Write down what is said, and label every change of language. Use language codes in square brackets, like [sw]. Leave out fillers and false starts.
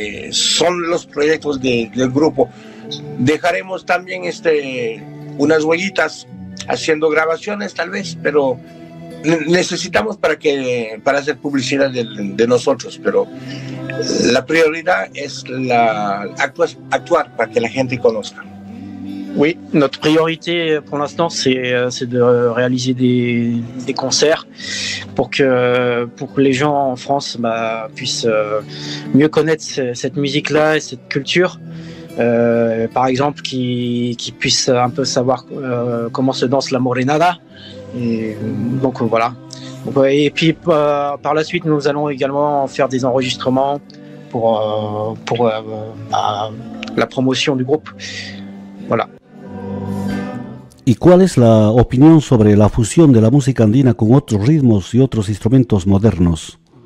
[es] Son los proyectos del grupo. Dejaremos también unas huellitas haciendo grabaciones tal vez, pero necesitamos para hacer publicidad de nosotros, pero la prioridad es actuar para que la gente conozca. [fr] Oui, notre priorité pour l'instant, c'est de réaliser des concerts pour que les gens en France puissent mieux connaître cette musique-là et cette culture. Par exemple, qu'ils puissent un peu savoir comment se danse la morenada. Donc voilà. Et puis par la suite, nous allons également faire des enregistrements pour la promotion du groupe. Voilà. [es] ¿Y cuál es la opinión sobre la fusión de la música andina con otros ritmos y otros instrumentos modernos?